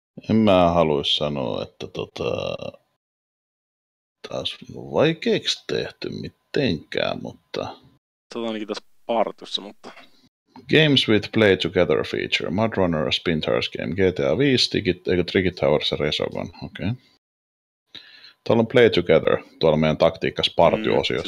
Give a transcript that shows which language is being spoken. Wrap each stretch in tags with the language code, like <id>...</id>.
<fi>En mä haluaisi sanoa, että taas vaikeeksi tehty mitenkään, mutta... Sä oot ainakin tässä partussa, mutta...</fi> <en>Games with Play Together feature. Mudrunner, a Spin Tires game.</en> <fi>GTA 5, Tricky Towers ja Resogun. Okei.</fi> <en>Okay.</en> <fi>Tuolla on Play Together, tuolla meidän taktiikkas party-osiossa.</fi>